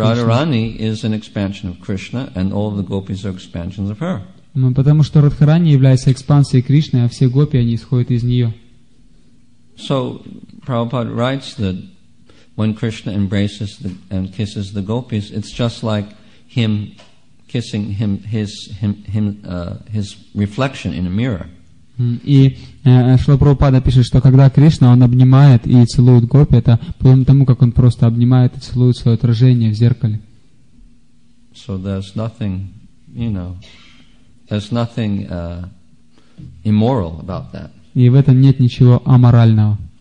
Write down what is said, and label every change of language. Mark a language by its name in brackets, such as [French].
[English] Because Radharani is an expansion of Krishna, and all the gopis are expansions of her. [Russian] Потому что Радхарани является экспансией Кришны, а все гопи, они исходят из нее. [English] So, Prabhupada writes that when Krishna embraces and kisses the gopis, it's just like him kissing him, his reflection in a mirror. [Russian] И Шрила Прабхупада пишет, что когда Кришна он обнимает и целует гопи, это подобно тому, как он просто обнимает и целует свое отражение в зеркале. [English] So there's nothing, you know, there's nothing immoral about that. [Russian] И в этом нет ничего аморального.